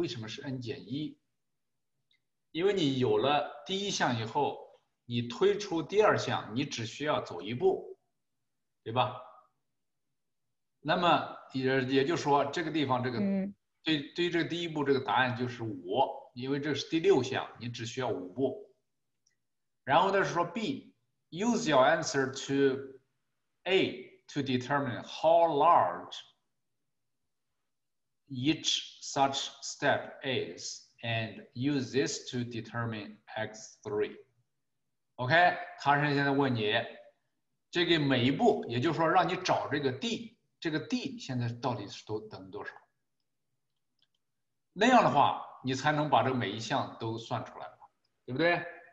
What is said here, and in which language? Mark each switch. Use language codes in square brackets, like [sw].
[zh] 为什么是 n 减 1？ 因为你有了第一项以后，你推出第二项，你只需要走一步，对吧？那么也就是说，这个地方这个、嗯、对于这个第一步这个答案就是五，因为这是第六项，你只需要五步。然后他说 [en] B, use your answer to A to determine how large each such step is, and use this to determine X3. [zh] OK, 他是现在问你这个每一步，也就是说让你找这个 D, 这个 D 现在到底是等多少。那样的话你才能把这每一项都算出来，对不对？